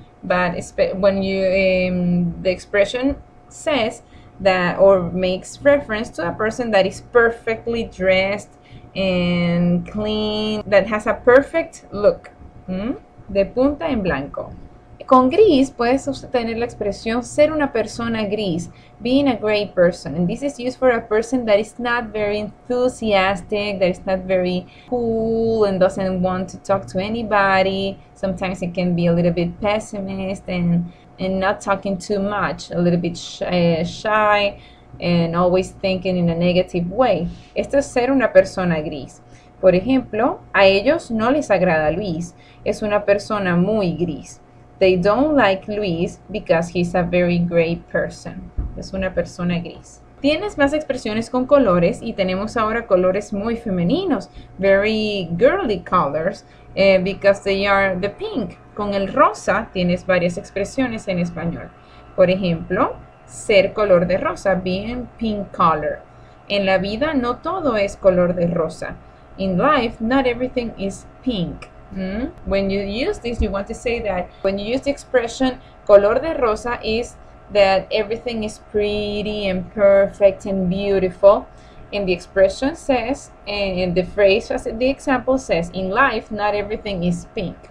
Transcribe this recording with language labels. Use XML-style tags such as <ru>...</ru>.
<en>But when the expression says that or makes reference to a person that is perfectly dressed and clean, that has a perfect look.</en> <es>De punta en blanco. Con gris puedes tener la expresión ser una persona gris,</es> <en>being a gray person. And this is used for a person that is not very enthusiastic, that is not very cool and doesn't want to talk to anybody. Sometimes it can be a little bit pessimist and not talking too much, a little bit shy and always thinking in a negative way.</en> <es>Esto es ser una persona gris. Por ejemplo, a ellos no les agrada Luis. Es una persona muy gris.</es> <en>They don't like Luis because he's a very gray person.</en> <es>Es una persona gris. Tienes más expresiones con colores y tenemos ahora colores muy femeninos,</es> <en>very girly colors, because they are the pink.</en> <es>Con el rosa tienes varias expresiones en español. Por ejemplo, ser color de rosa,</es> <en>being pink color.</en> <es>En la vida no todo es color de rosa.</es> <en>In life, not everything is pink. When you use this, you want to say that when you use the expression color de rosa is that everything is pretty and perfect and beautiful. And the expression says, and the phrase, as the example says, in life, not everything is pink.</en>